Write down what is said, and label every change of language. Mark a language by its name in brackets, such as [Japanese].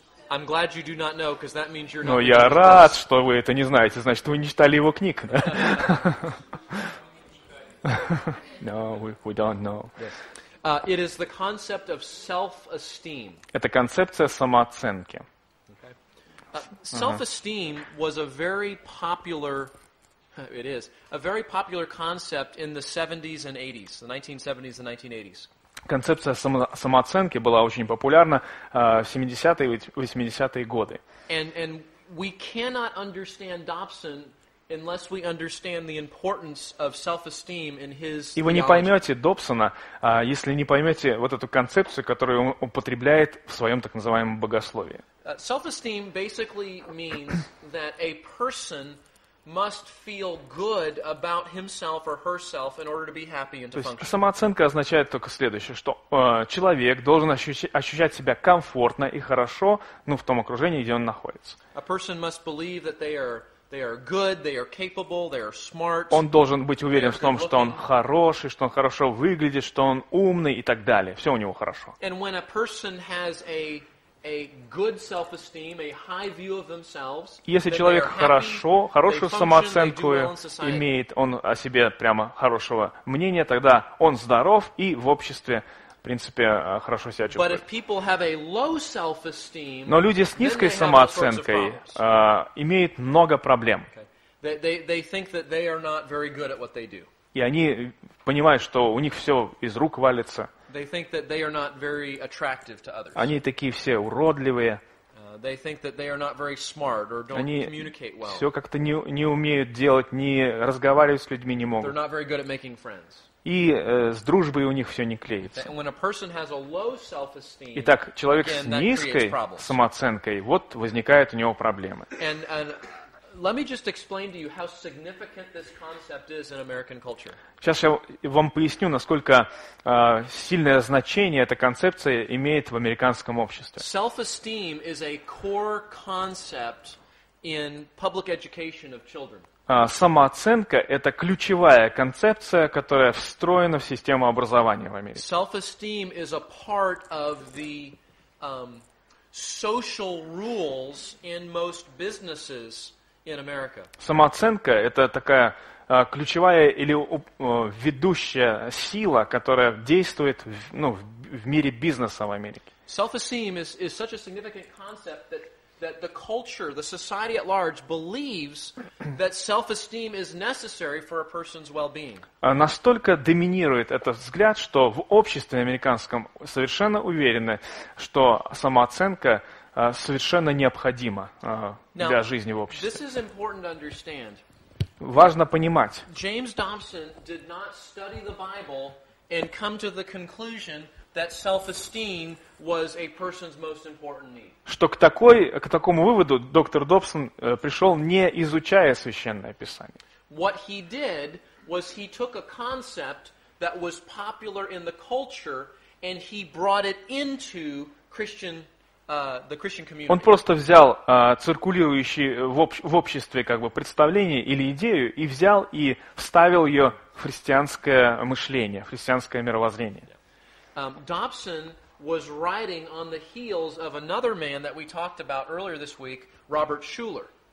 [English] I'm glad you do not know, because that means you're [Russian] not. Но я рад, что вы это не знаете. Значит, вы не читали его книг. Да? [English] No, we don't know. Yes. It is the concept of self-esteem. Это концепция самооценки. Okay. Self-esteem was a very popular. It is a very popular concept in the 70s and 80s, the 1970s and 1980s. [Russian] Концепция самооценки была очень популярна в 70-е и 80-е годы. [English] And we cannot understand Dobson unless we understand the importance of self-esteem in his. [Russian] И вы не поймете Добсона, если не поймете вот эту концепцию, которую он употребляет в своем так называемом богословии. [English] Self-esteem basically means that a person must feel good about himself or herself in order to be happy and to function. [Russian] То есть самооценка означает только следующее, что человек должен ощущать себя комфортно и хорошо, ну, в том окружении, где он находится. [English] A person must believe that they are good, they are capable, they are smart. [Russian] Он должен быть уверен в том, что он хороший, что он хорошо выглядит, что он умный и так далее. Все у него хорошо. [English] And when a person has a good self-esteem, a high view of themselves. [Russian] Если человек хорошо, хорошую самооценку имеет, он о себе прямо хорошего мнения, тогда он здоров и в обществе, в принципе, хорошо себя чувствует. [English] But if people have a low self-esteem, [Russian] но люди с низкой самооценкой имеют много проблем. [English] They think that they are not very good at what they do. [Russian] И они понимают, что у них все из рук валится. [English] They think that they are not very attractive to others. [Russian] Они такие все уродливые. [English] They think that they are not very smart or don't [Russian] они [English] communicate well. [Russian] Все как-то не умеют делать, не разговаривать с людьми не могут. [English] They're not very good at making friends. [Russian] И с дружбой у них все не клеится. [English] And when a person has a low self-esteem, [Russian] итак, человек с низкой самооценкой, вот возникают у него проблемы. [English] Let me just explain to you how significant this concept is in American culture. [Russian] Сейчас я вам поясню, насколько сильное значение эта концепция имеет в американском обществе. [English] Self-esteem is a core concept in public education of children. [Russian] Самооценка – это ключевая концепция, которая встроена в систему образования в Америке. [English] Self-esteem is a part of the social rules in most businesses. [Russian] Самооценка – это такая ключевая или ведущая сила, которая действует в мире бизнеса в Америке. [English] Self-esteem is such a significant concept that the culture, the society at large, believes that self-esteem is necessary for a person's well-being. [Russian] Настолько доминирует этот взгляд, что в обществе американском совершенно уверены, что самооценка совершенно необходимо для жизни в обществе. [English] This is important to understand. [Russian] Важно понимать. [English] James Dobson did not study the Bible and come to the conclusion that self-esteem was a person's most important need. [Russian] Что к такому выводу доктор Добсон пришел, не изучая Священное Писание. [English] What he did was he took a concept that was popular in the culture and he brought it into Christian the Christian community. [Russian] Он просто взял циркулирующие в обществе как бы представление или идею и взял и вставил ее в христианское мышление, в христианское мировоззрение. [English] Dobson was riding on the heels of another man that we talked about earlier this week, Robert Schuller.